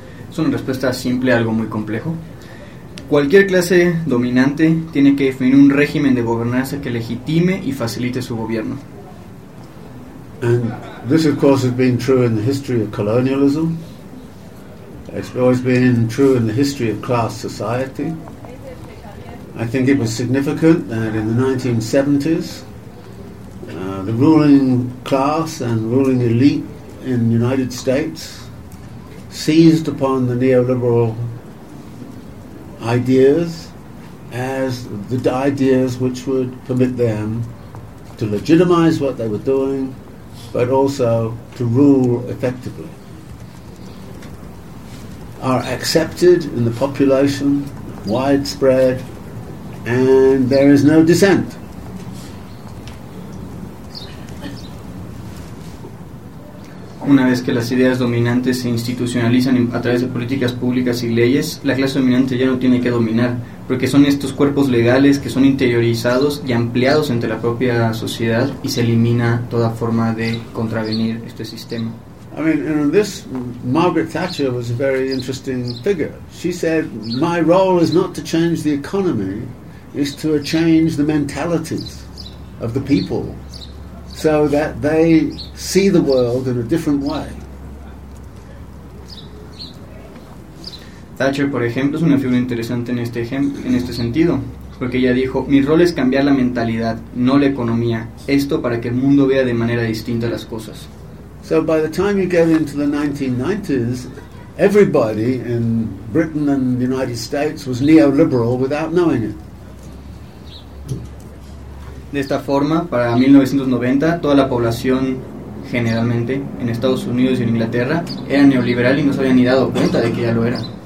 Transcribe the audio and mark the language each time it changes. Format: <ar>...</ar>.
<es>Es una respuesta simple a algo muy complejo. Cualquier clase dominante tiene que definir un régimen de gobernanza que legitime y facilite su gobierno.</es> <en>And this of course has been true in the history of colonialism. It's always been true in the history of class society. I think it was significant that in the 1970s, the ruling class and ruling elite in the United States seized upon the neoliberal ideas as the ideas which would permit them to legitimize what they were doing, but also to rule effectively. Are accepted in the population, widespread, and there is no dissent.</en> <es>Una vez que las ideas dominantes se institucionalizan a través de políticas públicas y leyes, la clase dominante ya no tiene que dominar, porque son estos cuerpos legales que son interiorizados y ampliados entre la propia sociedad y se elimina toda forma de contravenir este sistema.</es> <en>I mean, in this, Margaret Thatcher was a very interesting figure. She said, "My role is not to change the economy, it's to change the mentalities of the people." So that they see the world in a different way.</en> <es>Thatcher, por ejemplo, es una figura interesante en este ejemplo, en este sentido, porque ella dijo: "Mi rol es cambiar la mentalidad, no la economía. Esto para que el mundo vea de manera distinta las cosas."</es> <en>So by the time you get into the 1990s, everybody in Britain and the United States was neoliberal without knowing it.</en> <es>De esta forma, para 1990, toda la población, generalmente, en Estados Unidos y en Inglaterra, era neoliberal y no se habían ni dado cuenta de que ya lo era.</es>